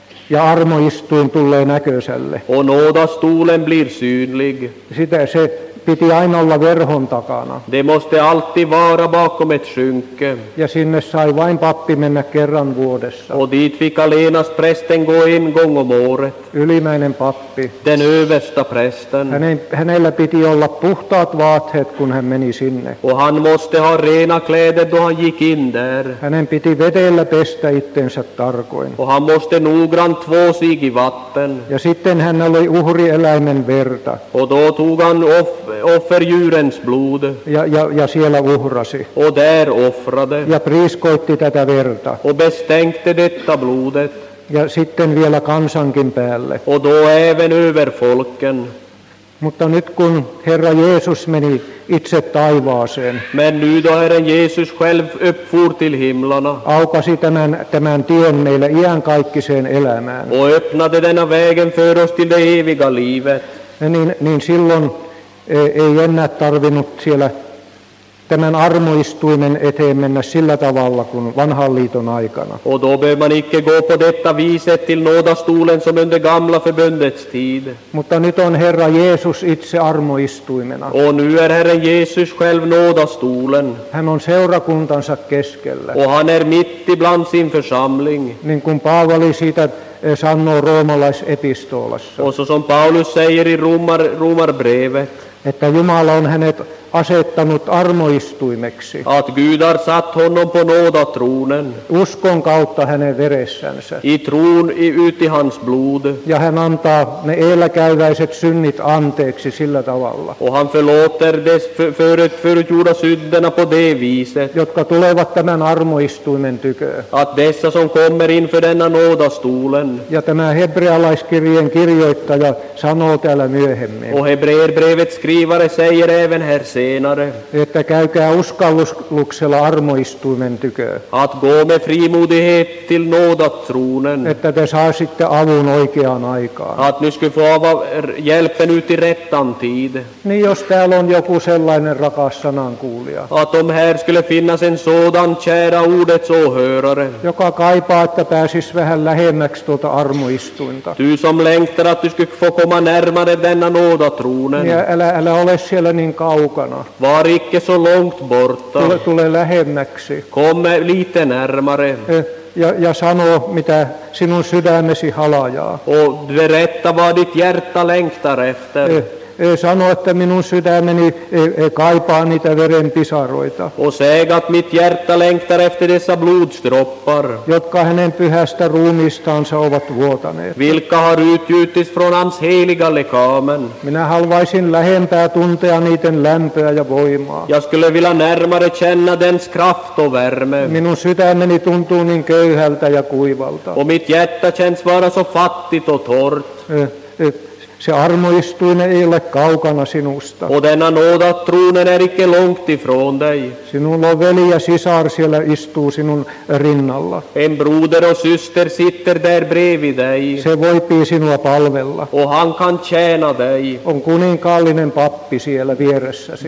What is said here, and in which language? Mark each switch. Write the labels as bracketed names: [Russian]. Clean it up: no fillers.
[Finnish] Ja armoistuin tulee näköiselle. [Swedish] Och nådastolen blir synlig. [Finnish] Sitä se piti aina olla verhon takana. [Swedish] Det måste alltid vara bakom ett skynke. [Finnish] Ja sinne sai vain pappi mennä kerran vuodessa. [Swedish] Och dit fick allenast prästen gå en gång om året. [Finnish] Ylimäinen pappi. [Swedish] Den översta prästen. [Finnish] Hänellä piti olla puhtaat vaatteet, kun hän meni sinne. [Swedish] Och han måste ha rena kläder då han gick in där. [Finnish] Hänen piti vedellä pestä itsensä tarkoin. [Swedish] Och han måste noggrant två sig i vatten. [Finnish] Ja sitten hän oli uhrieläimen verta. [Swedish] Och då tog han offerdjurens blod. [Finnish] Ja siellä uhrasi. [Swedish] Och där offrade. [Finnish] Ja priiskoitti tätä verta. [Swedish] Och bestänkte detta blodet. [Finnish] Ja sitten vielä kansankin päälle. [Swedish] Och då även över folken. [Finnish] Mutta nyt kun Herra Jeesus meni itse taivaaseen. [Swedish] Men nu då Herren Jesus själv uppfor till himlarna. [Finnish] Aukasi tämän tien meille iänkaikkiseen elämään. [Swedish] Och öppnade denna vägen för oss till det eviga livet. [Finnish] Niin silloin ei enää tarvinnut siellä tämän armoistuimen eteen mennä sillä tavalla kuin vanhan liiton aikana. [Swedish] Och då behöver man icke gå på detta viset till nådastolen som under gamla förbundets tid. [Finnish] Mutta nyt on Herra Jeesus itse armoistuimena. [Swedish] Och nu är Herren Jesus själv nådastolen. [Finnish] Hän on seurakuntansa keskellä. [Swedish] Och han är mitt ibland sin församling. [Finnish] Niin kuin Paavali siitä sanoo roomalaisepistolassa. [Swedish] Och så som Paulus säger i romarbrevet. [Finnish] Että Jumala on hänet asettanut armoistuimeksi. [Swedish] Att Gud har satt honom på nådatronen. [Finnish] Uskon kautta hänen veressänsä. [Swedish] I tron ut i hans blod. [Finnish] Ja hän antaa ne eläkäyväiset synnit anteeksi sillä tavalla. [Swedish] Och han förlåter dess förutgjorda synderna på det viset. [Finnish] Jotka tulevat tämän armoistuimen tykö. [Swedish] Att dessa som kommer inför denna nådastolen. [Finnish] Ja tämä hebrealaiskirjeen kirjoittaja sanoo täällä myöhemmin. [Swedish] Och hebreerbrevet skrivare säger även här senare. [Finnish] Että käykää uskalluksella armoistuimen tykö. [Swedish] Att gå med frimodighet till nådatronen. [Finnish] Että te saisitte avun oikeaan aikaan. [Swedish] Att ni skulle få hjälpen ut i rättan tid. [Finnish] Niin jos täällä on joku sellainen rakas sanankuulija. [Swedish] Att om här skulle finnas en sådan kära ordets åhörare. [Finnish] Joka kaipaa, että pääsis vähän lähemmäksi tuota armoistuinta. [Swedish] Du som längtar att du skulle få komma närmare denna nådatronen. [Finnish] Ja älä ole siellä niin kaukana. [Swedish] Var icke så långt borta. [Finnish] Tule lähemmäksi. [Swedish] Komme lite närmare. [Finnish] Ja sano, mitä sinun sydämesi halajaa. [Swedish] Och berätta vad ditt hjärta längtar efter. [Finnish] sanoa, että minun sydämeni kaipaa niitä verenpisaroita. [Swedish] Och säga att mitt hjärta längtar efter dessa blodsdroppar. [Finnish] Jotka hänen pyhästä ruumistaansa ovat vuotaneet. [Swedish] Vilka har utgjutits från hans heliga lekamen. [Finnish] Minä haluaisin lähempää tuntea niiden lämpöä ja voimaa. [Swedish] Jag skulle vilja närmare känna dens kraft och värme. [Finnish] Minun sydämeni tuntuu niin köyhältä ja kuivalta. [Swedish] Och mitt hjärta känns vara så fattigt och torrt. [Finnish] Se armoistuinen ei ole kaukana sinusta. [Swedish] Och denna nådatronen är icke långt ifrån dig. [Finnish] Sinulla on veli ja sisar siellä istuu sinun rinnalla. [Swedish] En broder och syster sitter där bredvid dig. [Finnish] Se voipii sinua palvella. [Swedish] Och han kan tjäna dig. [Finnish] On kuninkaallinen pappi siellä vieressäsi.